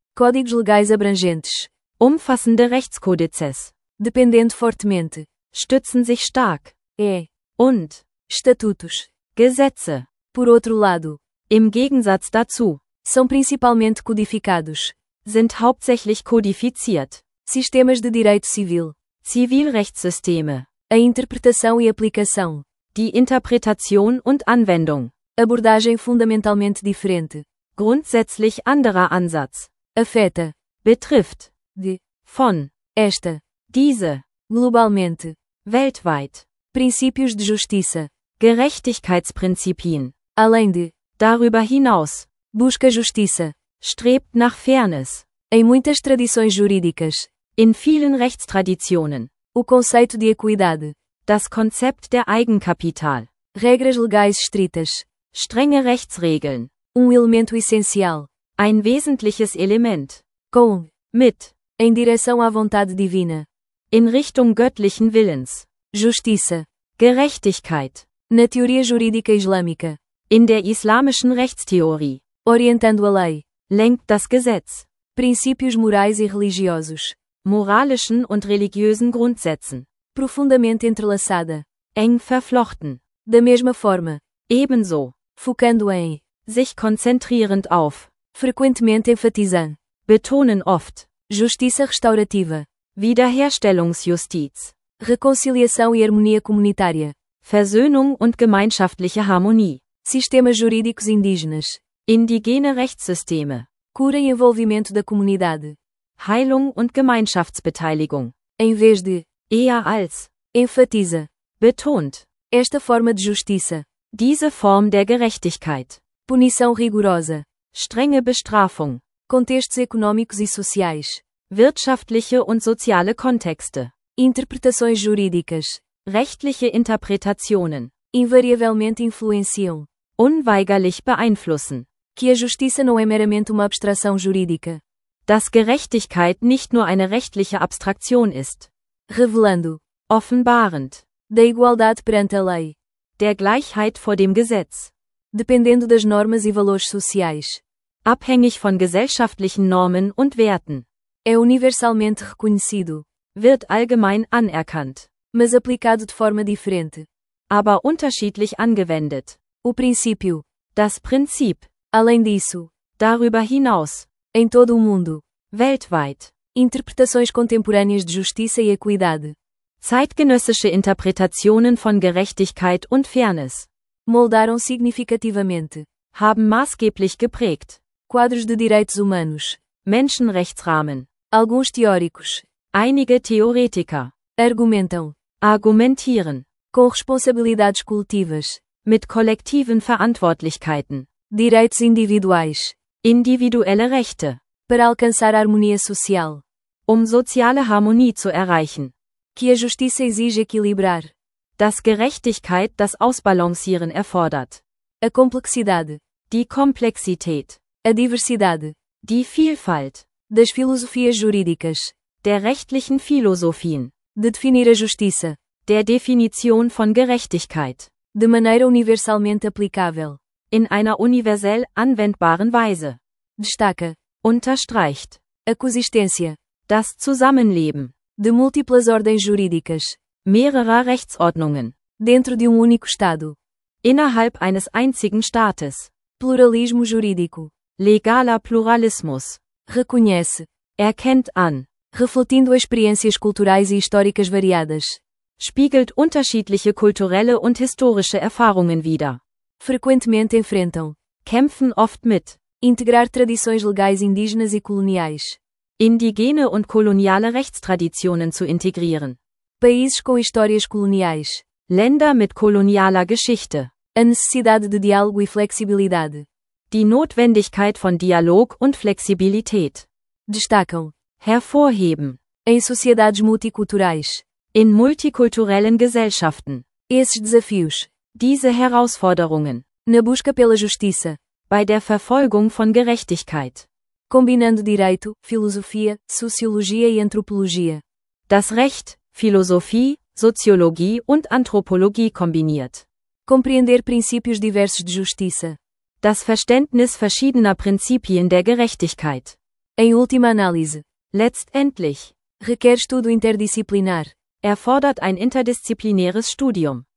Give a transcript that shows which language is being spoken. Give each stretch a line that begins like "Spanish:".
Portuguese: Códigos legais abrangentes.
German: Umfassende Rechtskodizes.
Portuguese: Dependendo fortemente.
German: Stützen sich stark.
Portuguese: É.
German: Und.
Portuguese: Estatutos.
German: Gesetze.
Portuguese: Por outro lado.
German: Im Gegensatz dazu.
Portuguese: São principalmente codificados.
German: Sind hauptsächlich codifiziert.
Portuguese: Sistemas de direito civil.
German: Zivilrechtssysteme.
Portuguese: A interpretação e aplicação.
German: Die Interpretation und Anwendung.
Portuguese: Abordagem fundamentalmente diferente.
German: Grundsätzlich anderer Ansatz.
Portuguese: Afeta.
German: Betrifft.
Portuguese: De.
German: Von.
Portuguese: Esta.
German: Diese.
Portuguese: Globalmente.
German: Weltweit.
Portuguese: Princípios de justiça.
German: Gerechtigkeitsprinzipien.
Portuguese: Além de.
German: Darüber hinaus.
Portuguese: Busca justiça.
German: Strebt nach Fairness.
Portuguese: Em muitas tradições jurídicas.
German: In vielen Rechtstraditionen.
Portuguese: O conceito de equidade.
German: Das Konzept der Eigenkapital.
Portuguese: Regras legais estritas.
German: Strenge Rechtsregeln.
Portuguese: Elemento essencial.
German: Ein wesentliches Element.
Portuguese: Com.
German: Mit.
Portuguese: Em direção à vontade divina.
German: In Richtung göttlichen Willens.
Portuguese: Justiça.
German: Gerechtigkeit.
Portuguese: Na teoria jurídica islâmica.
German: In der islamischen Rechtstheorie.
Portuguese: Orientando a lei.
German: Lenkt das Gesetz.
Portuguese: Princípios morais e religiosos.
German: Moralischen und religiösen Grundsätzen.
Portuguese: Profundamente entrelaçada.
German: Eng verflochten.
Portuguese: Da mesma forma.
German: Ebenso.
Portuguese: Focando em.
German: Sich konzentrierend auf.
Portuguese: Frequentemente enfatizando.
German: Betonen oft.
Portuguese: Justiça restaurativa.
German: Wiederherstellungsjustiz.
Portuguese: Reconciliação e harmonia comunitária.
German: Versöhnung und gemeinschaftliche Harmonie.
Portuguese: Sistemas jurídicos indígenas.
German: Indigene Rechtssysteme.
Portuguese: Cura e envolvimento da comunidade.
German: Heilung und Gemeinschaftsbeteiligung.
Portuguese: Em vez de.
German: Eher als.
Portuguese: Enfatiza.
German: Betont.
Portuguese: Esta forma de justiça.
German: Diese Form der Gerechtigkeit.
Portuguese: Punição rigorosa.
German: Strenge Bestrafung.
Portuguese: Contextos econômicos e sociais.
German: Wirtschaftliche und soziale Kontexte.
Portuguese: Interpretações jurídicas.
German: Rechtliche Interpretationen.
Portuguese: Invariavelmente influenciam.
German: Unweigerlich beeinflussen.
Portuguese: Que a justiça não é meramente uma abstração jurídica.
German: Dass Gerechtigkeit nicht nur eine rechtliche Abstraktion ist.
Portuguese: Revelando.
German: Offenbarend.
Portuguese: Da igualdade perante a lei.
German: Der Gleichheit vor dem Gesetz.
Portuguese: Dependendo das normas e valores sociais.
German: Abhängig von gesellschaftlichen Normen und Werten.
Portuguese: É universalmente reconhecido.
German: Wird allgemein anerkannt.
Portuguese: Mas aplicado de forma diferente.
German: Aber unterschiedlich angewendet.
Portuguese: O princípio.
German: Das Prinzip.
Portuguese: Além disso.
German: Darüber hinaus.
Portuguese: Em todo o mundo.
German: Weltweit.
Portuguese: Interpretações contemporâneas de justiça e equidade.
German: Zeitgenössische Interpretationen von Gerechtigkeit und Fairness.
Portuguese: Moldaram significativamente.
German: Haben maßgeblich geprägt.
Portuguese: Quadros de direitos humanos.
German: Menschenrechtsrahmen.
Portuguese: Alguns teóricos.
German: Einige Theoretiker.
Portuguese: Argumentam.
German: Argumentieren.
Portuguese: Com responsabilidades coletivas.
German: Mit kollektiven Verantwortlichkeiten.
Portuguese: Direitos individuais.
German: Individuelle Rechte.
Portuguese: Para alcançar a harmonia social.
German: Soziale Harmonie zu erreichen.
Portuguese: Que a justiça exige equilibrar.
German: Dass Gerechtigkeit das Ausbalancieren erfordert.
Portuguese: A complexidade.
German: Die Komplexität.
Portuguese: A diversidade.
German: Die Vielfalt.
Portuguese: Das filosofias jurídicas.
German: Der rechtlichen Philosophien.
Portuguese: De definir a justiça.
German: Der Definition von Gerechtigkeit.
Portuguese: De maneira universalmente aplicável.
German: In einer universell anwendbaren Weise.
Portuguese: Destaca.
German: Unterstreicht.
Portuguese: A coexistência.
German: Das Zusammenleben.
Portuguese: De múltiplas ordens jurídicas.
German: Mehrerer Rechtsordnungen.
Portuguese: Dentro de único Estado.
German: Innerhalb eines einzigen Staates.
Portuguese: Pluralismo jurídico.
German: Legaler Pluralismus.
Portuguese: Reconhece.
German: Erkennt an.
Portuguese: Refletindo experiências culturais e históricas variadas.
German: Spiegelt unterschiedliche kulturelle und historische Erfahrungen wider.
Portuguese: Frequentemente enfrentam.
German: Kämpfen oft mit.
Portuguese: Integrar tradições legais indígenas e coloniais.
German: Indigene und koloniale Rechtstraditionen zu integrieren.
Portuguese: Países com histórias coloniais.
German: Länder mit kolonialer Geschichte.
Portuguese: A necessidade de diálogo e flexibilidade.
German: Die Notwendigkeit von Dialog und Flexibilität.
Portuguese: Destacam.
German: Hervorheben.
Portuguese: Em sociedades multiculturais.
German: In multikulturellen Gesellschaften.
Portuguese: Esses desafios.
German: Diese Herausforderungen.
Portuguese: Na busca pela justiça.
German: Bei der Verfolgung von Gerechtigkeit.
Portuguese: Combinando direito, filosofia, sociologia e antropologia.
German: Das Recht, Philosophie, Soziologie und Anthropologie kombiniert.
Portuguese: Compreender princípios diversos de justiça.
German: Das Verständnis verschiedener Prinzipien der Gerechtigkeit.
Portuguese: Em última análise.
German: Letztendlich.
Portuguese: Requer estudo interdisciplinar.
German: Erfordert ein interdisziplinäres Studium.